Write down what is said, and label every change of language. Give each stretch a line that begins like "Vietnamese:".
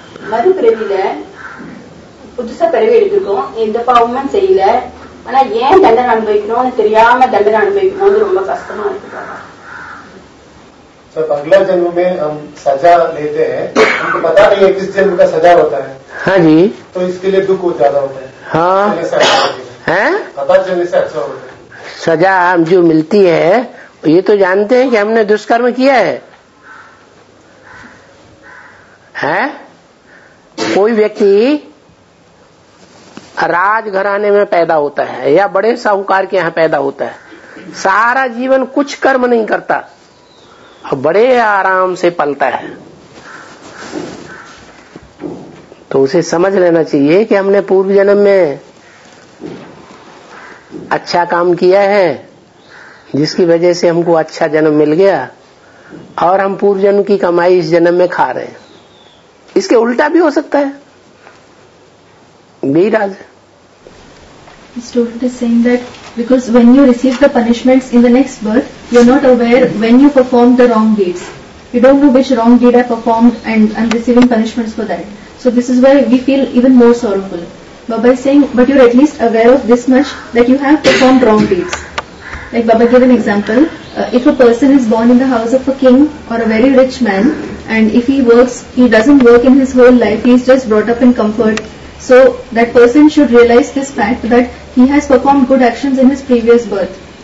Tamil: மறுபிறவில புதுசா பிறவி எடுத்திருக்கோம், எந்த பாவமும் செய்யல, ஆனா ஏன் தண்டனை அனுபவிக்கணும்னு தெரியாம தண்டனை அனுபவிக்கும் போது ரொம்ப கஷ்டமா இருக்கு.
Hindi: அகலா ஜென்மே சஜா லேட்டே கிஸ் ஜென்ம கா சஜா ஹோதா ஹை. हाँ जी, तो इसके लिए दुख बहुत ज्यादा होता है। हाँ है, पता चलने से अच्छा होता है। सजा हम जो मिलती है ये तो जानते हैं कि हमने दुष्कर्म किया है, है? कोई व्यक्ति राजघराने में पैदा होता है या बड़े साहूकार के यहाँ पैदा होता है, सारा जीवन कुछ कर्म नहीं करता और बड़े आराम से पलता है, तो उसे समझ लेना चाहिए कि हमने पूर्व जन्म में अच्छा काम किया है जिसकी वजह से हमको अच्छा जन्म मिल गया और हम पूर्व जन्म की कमाई इस जन्म में खा रहे हैं। इसके उल्टा भी हो सकता है। बीराज
English: Student is saying that because when you receive the punishments in the next birth you are not aware when you perform the wrong deeds, you don't know which wrong deed I performed and I am receiving punishments for that. So this is why we feel even more sorrowful. Baba is saying, but you're at least aware of this much, that you have performed wrong deeds. Like Baba gave an example, if a person is born in the house of a king or a very rich man, and if he doesn't work in his whole life, he's just brought up in comfort, so that person should realize this fact that he has performed good actions in his previous birth.